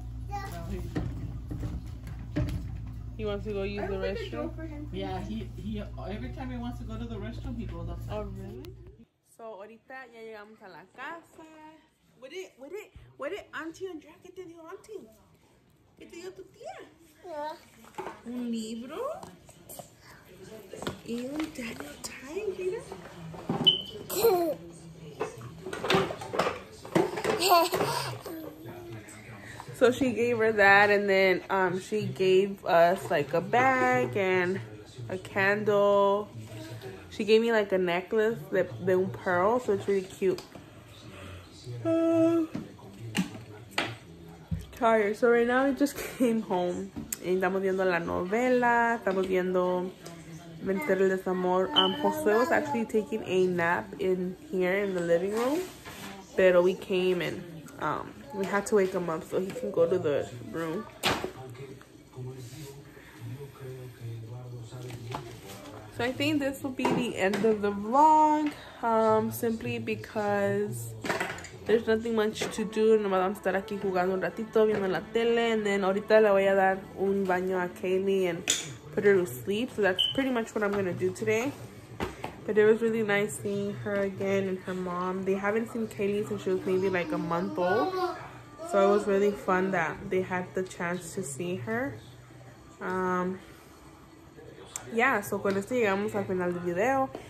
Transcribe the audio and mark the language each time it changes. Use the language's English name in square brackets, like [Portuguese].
[English] No, he wants to go use the restroom. He every time he wants to go to the restroom, he goes outside. Oh really? [Spanish] So ahorita ya llegamos a la casa. [English] What it? [Spanish] Auntie Andrea, ¿qué te dio auntie? ¿Qué te dio tu tía? [English] Yeah. [Spanish] Un libro. Y un Daniel Tiger. [English] So she gave her that, and then she gave us like a bag and a candle. She gave me like a necklace that [Spanish] de un [English] pearl, so it's really cute. Tired. So right now we just came home. [Spanish] Y estamos viendo la novela. Estamos viendo Vencer el Desamor. [English] Jose was actually taking a nap in here in the living room. Pero we came and we had to wake him up so he can go to the room. So I think this will be the end of the vlog. Simply because there's nothing much to do. [Spanish] Nomás vamos a estar aquí jugando un ratito, viendo la tele. [English] And then [Spanish] ahorita le voy a dar un baño a Kaylee [English] and put her to sleep. So that's pretty much what I'm going to do today. But it was really nice seeing her again and her mom. They haven't seen Kaylee since she was maybe like a month old. So it was really fun that they had the chance to see her. [Spanish] Yeah, so con esto llegamos al final del video.